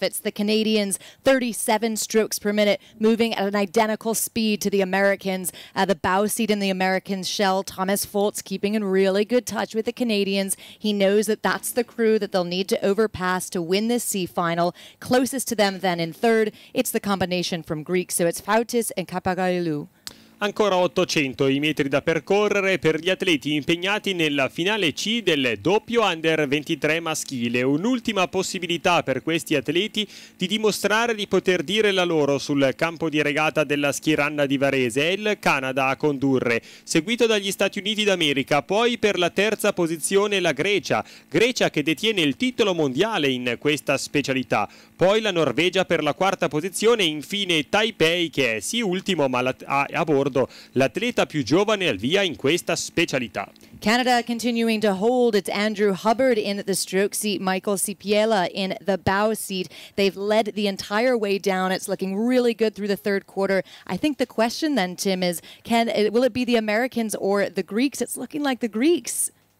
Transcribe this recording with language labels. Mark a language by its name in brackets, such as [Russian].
[English] It's the Canadians, 37 strokes per minute, moving at an identical speed to the Americans. The bow seat in the American shell, Thomas Foltz keeping in really good touch with the Canadians. He knows that that's the crew that they'll need to overpass to win this C final. Closest to them then in third, it's the combination from Greek. So it's Fautis and Kapagailou. [Italian] Ancora 800 i metri da percorrere per gli atleti impegnati nella finale C del doppio under 23 maschile. Un'ultima possibilità per questi atleti di dimostrare di poter dire la loro sul campo di regata della Skiranna di Varese. È il Canada a condurre, seguito dagli Stati Uniti d'America, poi per la terza posizione la Grecia. Grecia che detiene il titolo mondiale in questa specialità. Poi la Norvegia per la quarta posizione e infine Taipei che è sì ultimo ma a bordo ricordo, l'atleta più giovane al via in questa specialità. [English] Canada continuing to hold. It's Andrew Hubbard in the stroke seat, Michael Cipiela in the bow seat. They've led the entire way down. It's looking really good through the third quarter. I think the question then, Tim, is will it be the Americans or the Greeks? It's looking like the Greeks.